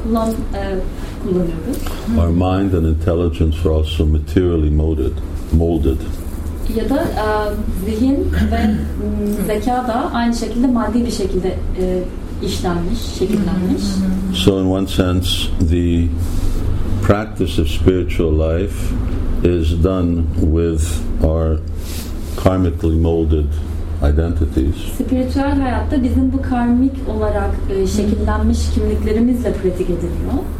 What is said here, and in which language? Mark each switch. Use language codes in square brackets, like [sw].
[en] Our mind and intelligence are also materially molded. [tr] Ya da zihin ve zeka da aynı şekilde maddi bir şekilde işlenmiş, şekillenmiş. [en] So in one sense, the practice of spiritual life is done with our karmically molded identities. [tr] Spiritual hayatta bizim bu karmik olarak şekillenmiş kimliklerimizle pratik ediliyor.